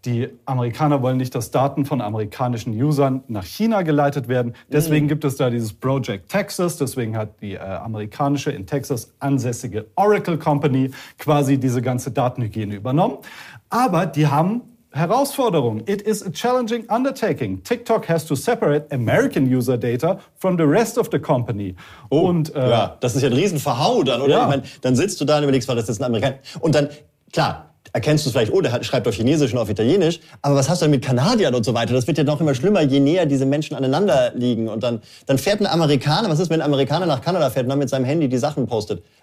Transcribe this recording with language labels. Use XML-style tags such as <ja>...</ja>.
<de>Die Amerikaner wollen nicht, dass Daten von amerikanischen Usern nach China geleitet werden. Deswegen gibt es da dieses Project Texas. Deswegen hat die amerikanische, in Texas ansässige Oracle Company quasi diese ganze Datenhygiene übernommen. Aber die haben Herausforderungen.</de> <en>It is a challenging undertaking. TikTok has to separate American user data from the rest of the company.</en> <de>Das ist ja ein Riesenverhau dann, oder? Ja. Ich meine, dann sitzt du da und überlegst, das ist ein Amerikaner. Und dann, klar, erkennst du es vielleicht, der schreibt auf Chinesisch und auf Italienisch, aber was hast du denn mit Kanadiern und so weiter? Das wird ja noch immer schlimmer, je näher diese Menschen aneinander liegen. Und dann fährt ein Amerikaner, was ist, wenn ein Amerikaner nach Kanada fährt und dann mit seinem Handy die Sachen postet?</de>